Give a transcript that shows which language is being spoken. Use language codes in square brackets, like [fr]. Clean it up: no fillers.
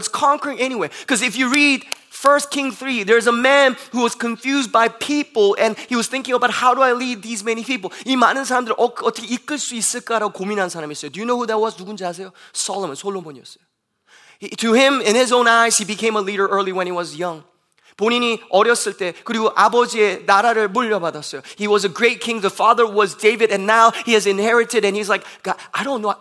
[en] It's conquering anyway. Because if you read 1 Kings 3, there's a man who was confused by people and he was thinking about how do I lead these many people? [ko] 이 많은 사람들을 어떻게 이끌 수 있을까라고 고민한 사람이 있어요. [en] Do you know who that was? [ko] 누군지 아세요? 솔로몬이었어요. [en] To him, in his own eyes, he became a leader early when he was young. [ko] 본인이 어렸을 때 그리고 아버지의 나라를 물려받았어요. [en] He was a great king. The father was David and now he has inherited and he's like, God, I don't know.